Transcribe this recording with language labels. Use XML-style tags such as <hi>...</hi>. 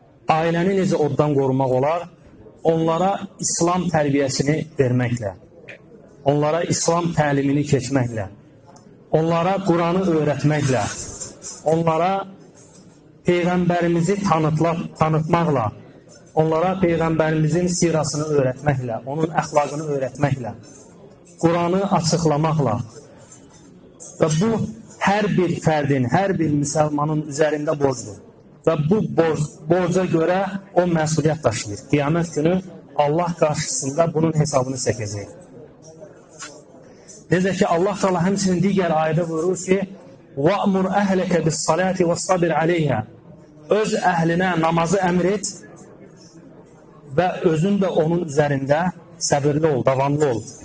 <az>Ailənizi oddan qorumaq olar, onlara İslam tərbiyəsini verməklə, onlara İslam təlimini keçməklə, onlara Quranı öyrətməklə, onlara Peyğəmbərimizi tanıtmaqla, onlara Peyğəmbərimizin sirasını öyrətməklə, onun əxlaqını öyrətməklə, Quranı açıqlamaqla və bu, hər bir fərdin, hər bir müsəlmanın üzərində borcdur. Və bu borca görə o məsuliyyət daşıyır. Qiyamət günü Allah karşısında bunun hesabını çekecek. Necə ki Allah Teala həmçinin digər ayədə buyurur ki:</az> <ar>"Va'mur ehleke bis-salati ve's-sabr aleyha."</ar> <az>Öz əhlinə namazı əmr et və özün də onun üzərində səbirli ol, davamlı ol.</az>